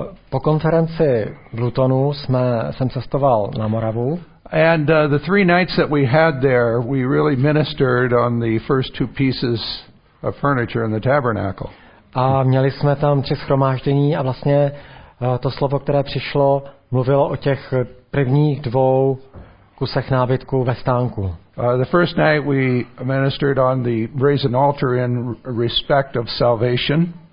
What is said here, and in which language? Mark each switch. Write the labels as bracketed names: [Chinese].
[Czech] Po konferenci v Lutonu jsem cestoval na Moravu. [English] And the three nights that we had there, we really ministered on the first two pieces of furniture in the tabernacle. [Czech] A měli jsme tam tři shromáždění a vlastně to slovo, které přišlo, mluvilo o těch prvních dvou kusech nábytku ve stánku. [English] The first night we ministered on the brazen altar in respect of salvation.